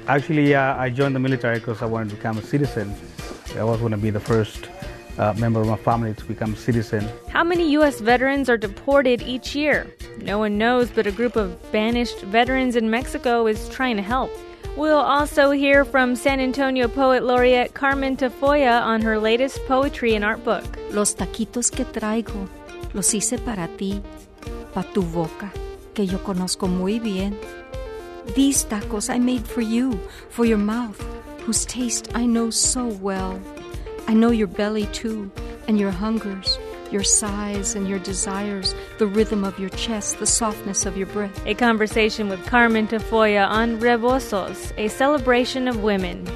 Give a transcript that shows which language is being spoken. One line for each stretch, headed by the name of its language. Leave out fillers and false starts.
English: Actually, I joined the military because I wanted to become a citizen. I was going to be the first member of my family to become a citizen. How many U.S. veterans are deported each year? No one knows, but a group of banished veterans in Mexico is trying to help. We'll also hear from San Antonio poet laureate Carmen Tafoya on her latest poetry and art book.
Spanish: Los taquitos que traigo, los hice para ti, pa tu boca, que yo conozco muy bien.
English: These tacos I made for you, for your mouth, whose taste I know so well. I know your belly too, and your hungers, your sighs and your desires, the rhythm of your chest, the softness of your breath. A conversation with Carmen Tafoya on Rebozos, a celebration of women.